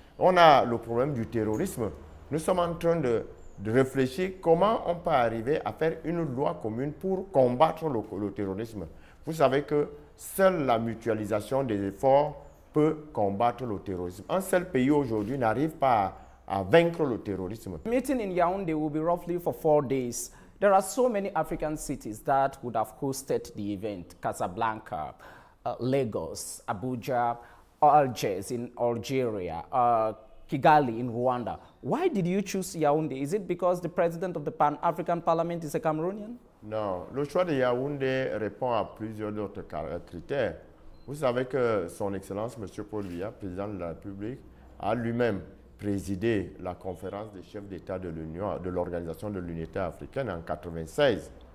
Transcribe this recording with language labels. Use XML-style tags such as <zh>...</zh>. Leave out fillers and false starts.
<fr>On a le problème du terrorisme. Nous sommes en train de réfléchir comment on peut arriver à faire une loi commune pour combattre le terrorisme. Vous savez que seule la mutualisation des efforts peut combattre le terrorisme. Un seul pays aujourd'hui n'arrive pas à vaincre le terrorisme.</fr> <en>Meeting in Yaoundé will be roughly for 4 days. There are so many African cities that would have hosted the event: Casablanca, Lagos, Abuja, Algiers in Algeria, Kigali in Rwanda. Why did you choose Yaoundé? Is it because the president of the Pan-African Parliament is a Cameroonian?</en> <fr>Non, le choix de Yaoundé répond à plusieurs autres critères. Vous savez que son Excellence Monsieur Paul Biya, président de la République, a lui-même présidé la conférence des chefs d'État de l'Union, de l'Organisation de l'Unité Africaine en 1996.</fr>